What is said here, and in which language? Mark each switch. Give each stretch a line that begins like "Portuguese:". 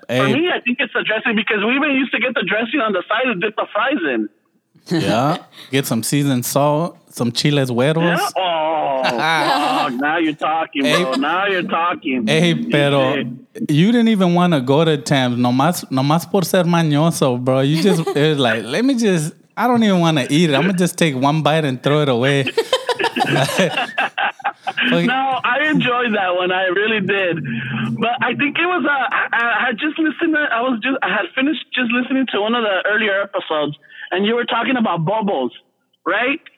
English: Hey. For me, I think it's the dressing because we even used to get the dressing on the side and dip the fries in. Yeah. Get some seasoned salt, some chiles güeros. Yeah. Now you're talking, hey. Bro. Now you're talking. Hey, pero you didn't even want to go to Tams.
Spanish: Nomás por ser mañoso, bro.
English: You just, it was like, let me just, I don't even want to eat it. I'm going to just take one bite and throw it away. Like, no, I enjoyed that one. I really did. But I think it was, I had finished listening to one of the earlier episodes, and you were talking about bubbles, right?